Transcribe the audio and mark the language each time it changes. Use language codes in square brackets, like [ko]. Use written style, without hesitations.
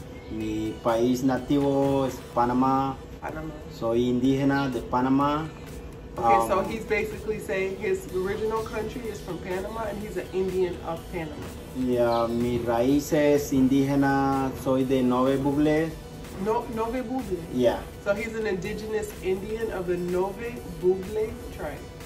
[es] Mi país nativo es Panamá. Panamá. Soy indígena de Panamá. [en] Okay, so he's basically saying his original country is from Panama and he's an Indian of Panama. [es] Yeah, mi raíz es indígena, soy de Nove Buble. Nove Buble? [en] Yeah. So he's an indigenous Indian of the Nove Buble tribe.